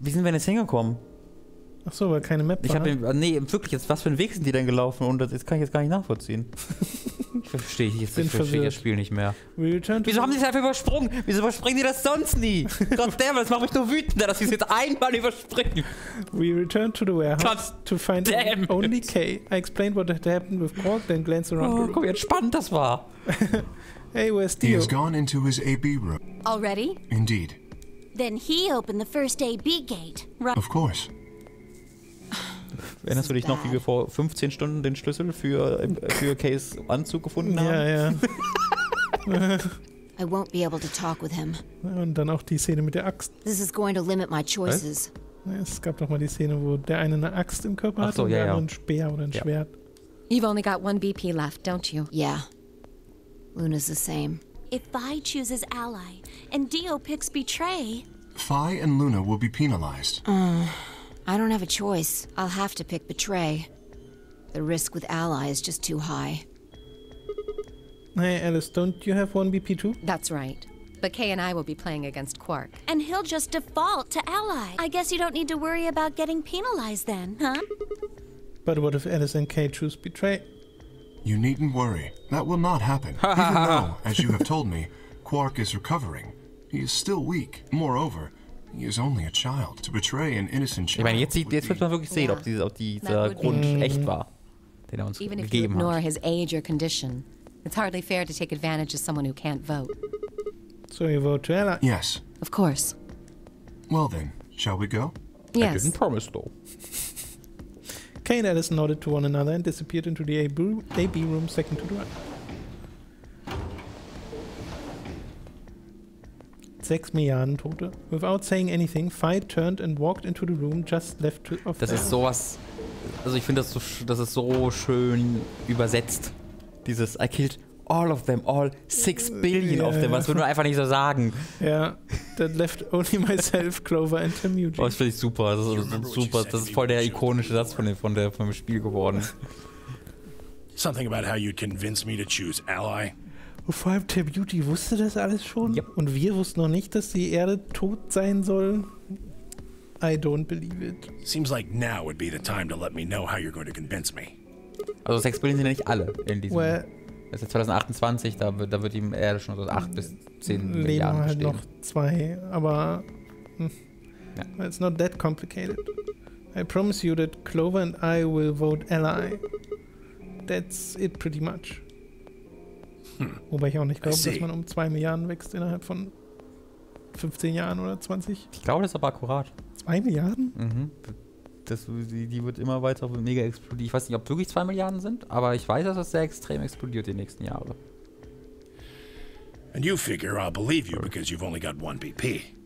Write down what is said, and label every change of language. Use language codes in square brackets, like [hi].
[de] Wie sind wir denn jetzt hingekommen? Ach so, weil keine Map ich war. Ich hab ne? Nee, wirklich, jetzt, was für einen Weg sind die denn gelaufen? Und das kann ich jetzt gar nicht nachvollziehen. Ich verstehe, ich verstehe das Spiel nicht mehr. Wieso haben sie es einfach übersprungen? Wieso überspringen die das sonst nie? Gott damn, das macht mich nur wütender, dass sie es jetzt einmal überspringen. [en] We returned to the warehouse to find only Kay. I explained what had happened with Cork, then glanced around the [de] room. Guck, wie entspannt das war. [en] Hey, where's Theo? He has gone into his AB room. Already? Indeed. Then he opened the first AB gate. Right. Of course. [de] Erinnerst du dich noch, wie wir vor 15 Stunden den Schlüssel für Kays Anzug gefunden haben? Ja, ja. [en] I won't be able to talk with him. [de] Und dann auch die Szene mit der Axt. [en] This is going to limit my choices. [de] Es gab doch mal die Szene, wo der eine Axt im Körper hat und der andere ein Speer oder ein Schwert. [en] You've only got one BP left, don't you? Yeah. Luna's the same. If Vi chooses ally and Dio picks betray, Vi and Luna will be penalized. I don't have a choice. I'll have to pick betray. The risk with ally is just too high. Hey, Alice, don't you have one BP too? That's right. But Kay and I will be playing against Quark. And he'll just default to ally. I guess you don't need to worry about getting penalized then, huh? But what if Alice and Kay choose betray? You needn't worry. That will not happen. Even though, as you have told me, Quark is recovering. He is still weak. Moreover, he is only a child. To betray an innocent child. [de] Ich meine, jetzt wird man wirklich sehen, ob dieser Grund echt war, den er uns [en] even Even if you ignore his age or condition, it's hardly fair to take advantage of someone who can't vote. So you vote to Ella? Yes. Of course. Well then, shall we go? Yes. I didn't promise though. Kay and Alice nodded to one another and disappeared into the AB room second to the right. [de] 6 Milliarden Tote. [en] Without saying anything, Fi turned and walked into the room just left to of [de] Das ist sowas. Also ich finde das so, das ist so schön übersetzt. [en] Dieses I killed all of them, all 6 billion of them. [de] Das würde man einfach nicht so sagen. [en] Ja. Yeah. That left only myself, Clover and Temujin. [de] Oh, das finde ich super. Das ist super. Das ist voll der ikonische Satz vom Spiel geworden. [en] Something about how you'd convince me to choose ally. [de] Vor allem Tabuti wusste das alles schon. [en] Yep. [de] Und wir wussten noch nicht, dass die Erde tot sein soll. [en] I don't believe it. Seems like now would be the time to let me know how you're going to convince me. [de] Also 6 Billionen sind ja nicht alle in diesem. Well, das ist ja 2028, da wird die Erde schon so 8 bis 10 Milliarden stehen. Leben halt noch 2, aber [en] it's not that complicated. I promise you that Clover and I will vote ally. That's it pretty much. Hm. [de] Wobei ich auch nicht glaube, dass man um 2 Milliarden wächst innerhalb von 15 Jahren oder 20. Ich glaube, das ist aber akkurat. 2 Milliarden? Mhm. Die wird immer weiter mega explodieren. Ich weiß nicht, ob wirklich 2 Milliarden sind, aber ich weiß, dass das sehr extrem explodiert die nächsten Jahre. [en] And you figure I'll believe you because you've only got one BP.